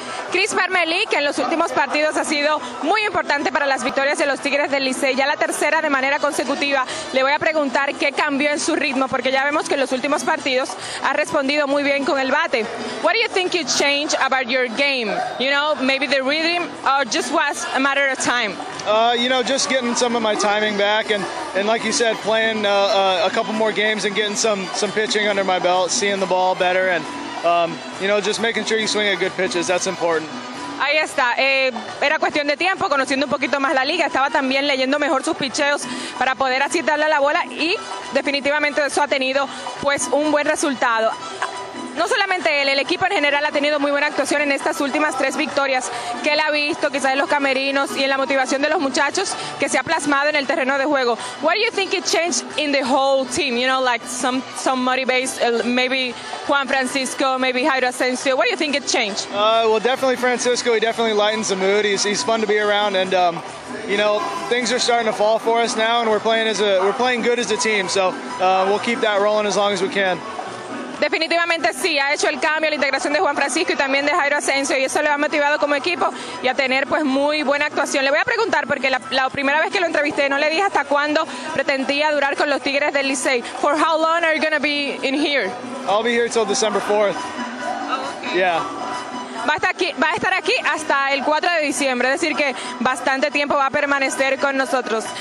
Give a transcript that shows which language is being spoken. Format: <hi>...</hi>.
<es>Chris Parmelee, que en los últimos partidos ha sido muy importante para las victorias de los Tigres del Licey, ya la tercera de manera consecutiva. Le voy a preguntar qué cambió en su ritmo, porque ya vemos que en los últimos partidos ha respondido muy bien con el bate.</es> <en>What do you think you change about your game? You know, maybe the rhythm, or just was a matter of time? You know, just getting some of my timing back, and like you said, playing a couple more games and getting some pitching under my belt, seeing the ball better, and you know, just making sure you swing at good pitches. That's important.</en> <es>Ahí está. Era cuestión de tiempo, conociendo un poquito más la liga. Estaba también leyendo mejor sus picheos para poder así darle a la bola, y definitivamente eso ha tenido pues un buen resultado. No solamente él, el equipo en general ha tenido muy buena actuación en estas últimas tres victorias. ¿Qué le ha visto quizás en los camerinos y en la motivación de los muchachos que se ha plasmado en el terreno de juego?</es> <en>What do you think it changed in the whole team? You know, like some motivation, maybe Juan Francisco, maybe Jairo Asensio. What do you think it changed? Well, definitely Francisco. He definitely lightens the mood. He's fun to be around, and you know, things are starting to fall for us now, and we're playing good as a team. So we'll keep that rolling as long as we can.</en> <es>Definitivamente sí, ha hecho el cambio, la integración de Juan Francisco y también de Jairo Asensio, y eso le ha motivado como equipo y a tener pues muy buena actuación. Le voy a preguntar, porque la primera vez que lo entrevisté no le dije hasta cuándo pretendía durar con los Tigres del Licey.</es> <en>For how long are you going to be in here? I'll be here till December 4th. Yeah.</en> <es>Va a estar aquí hasta el 4 de diciembre, es decir que bastante tiempo va a permanecer con nosotros.</es>